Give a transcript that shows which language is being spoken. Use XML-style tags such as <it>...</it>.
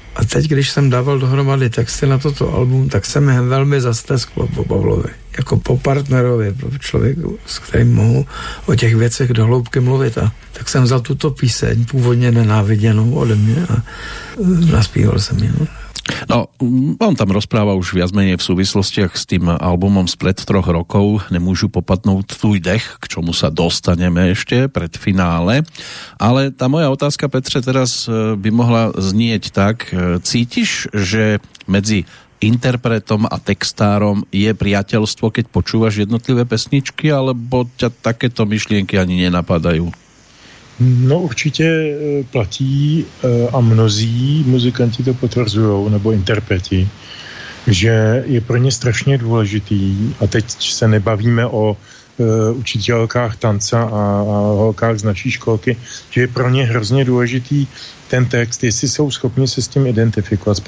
<cs>A teď, když jsem dával dohromady texty na toto album, tak se mi velmi zastesklo po Pavlovi. Jako po partnerovi, po člověku, s kterým mohu o těch věcech do hloubky mluvit. A tak jsem vzal tuto píseň, původně nenáviděnou ode mě, a naspíval jsem ji.</cs> <sk>No, on tam rozpráva už viac menej v súvislostiach s tým albumom spred troch rokov Nemôžu popadnúť tvoj dech, k čomu sa dostaneme ešte pred finále. Ale tá moja otázka, Petre, teraz by mohla znieť tak. Cítiš, že medzi interpretom a textárom je priateľstvo, keď počúvaš jednotlivé pesničky, alebo ťa takéto myšlienky ani nenapadajú?</sk> <cs>No určitě platí a mnozí muzikanti to potvrzují, nebo interpreti, že je pro ně strašně důležitý, a teď se nebavíme o učitelkách tance a holkách z naší školky, že je pro ně hrozně důležitý ten text, jestli jsou schopni se s tím identifikovat.</cs>